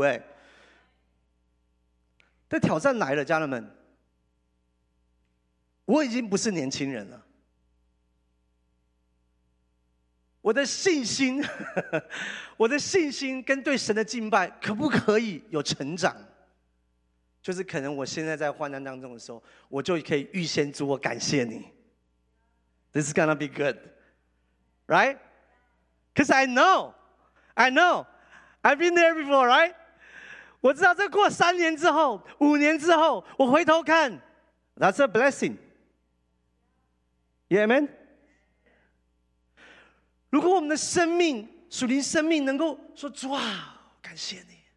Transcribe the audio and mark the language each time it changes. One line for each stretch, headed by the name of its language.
Chinese: 哎，但挑战来了，家人们，我已经不是年轻人了。我的信心，我的信心跟对神的敬拜，可不可以有成长？就是可能我现在在患难当中的时候，我就可以预先祝我感谢你。
English: This is gonna be good, right? Because I know, I've been there before, right?
Chinese: 我知道这过3年之后、5年之后，我回头看 ，
English: That's a blessing. Yeah, amen.
Chinese: 如果我们的生命、属灵生命能够说主啊，感谢你。